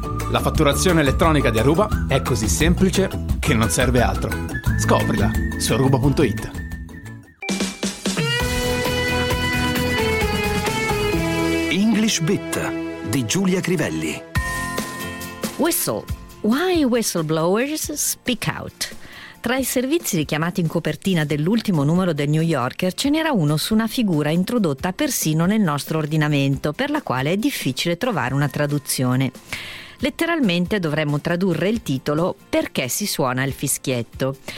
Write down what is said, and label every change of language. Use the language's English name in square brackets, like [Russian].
[Italian] La fatturazione elettronica di Aruba è così semplice che non serve altro. Scoprila su aruba.it. English Bit di Giulia Crivelli. [English] Whistle. Why whistleblowers speak out? [Italian] Tra i servizi richiamati in copertina dell'ultimo numero del New Yorker ce n'era uno su una figura introdotta persino nel nostro ordinamento, per la quale è difficile trovare una traduzione. Letteralmente dovremmo tradurre il titolo «Perché si suona il fischietto?».